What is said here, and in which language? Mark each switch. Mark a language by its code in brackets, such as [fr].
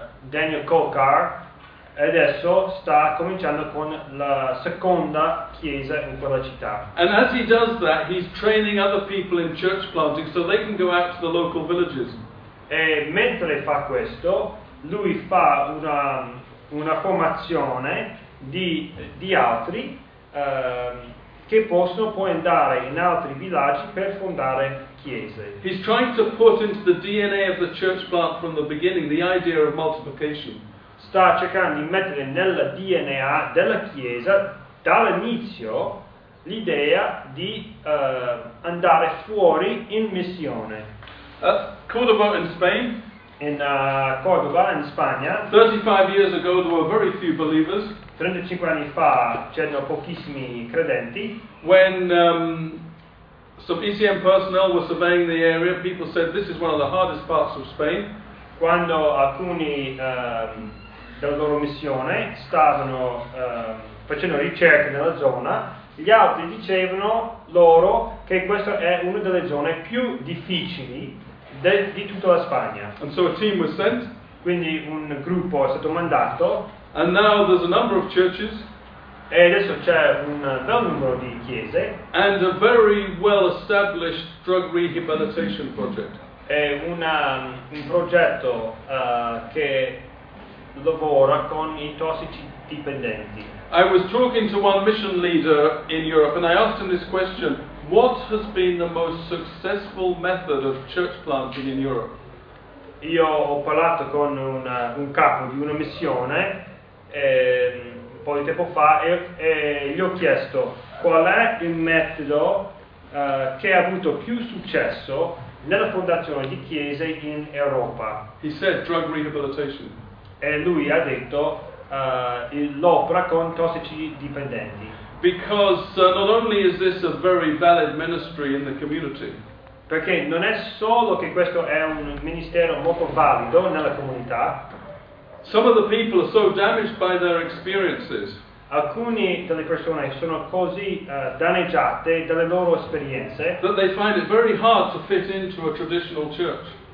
[it] Daniel Kokar adesso sta cominciando con la seconda chiesa in quella città. [en] And as he does that, he's training other people in church planting so they can go out to the local villages. [it] E mentre fa questo, lui fa una formazione di altri che possono poi andare in altri villaggi per fondare chiese. [en] He's trying to put into the DNA of the church plant from the beginning the idea of multiplication. [it] Sta cercando di mettere nella DNA della chiesa dall'inizio l'idea di andare fuori in missione. [en] Cordoba in Spain. [it] In Cordoba in Spagna. [en] 35 years ago there were very few believers. [it] 35 anni fa c'erano pochissimi credenti. [en] When some ECM personnel were surveying the area, people said this is one of the hardest parts of Spain. [it] Quando alcuni della loro missione stavano facendo ricerche nella zona, gli altri dicevano loro che questa è una delle zone più difficili di tutta la Spagna. [en] And so a team was sent. [it] Quindi un gruppo è stato mandato. [en] And now there's a number of churches. [it] E adesso c'è un bel numero di chiese. [en] And a very well established drug rehabilitation project. [it] È un progetto che lavora con i tossici dipendenti. [en] I was talking to one mission leader in Europe and I asked him this question: what has been the most successful method of church planting in Europe? [it] Io ho parlato con un capo di una missione un po' di tempo fa e gli ho chiesto qual è il metodo che ha avuto più successo nella fondazione di chiese in Europa. [en] He said drug rehabilitation. [it] E lui ha detto l'opera con tossici dipendenti. [en] Because not only is this a very valid ministry in the community. [it] Perché non è solo che questo è un ministero molto valido nella comunità. [en] Some of the people are so damaged by their experiences. [it] Alcune delle persone sono così danneggiate dalle loro esperienze. [en] That they find it very hard to fit into a traditional church.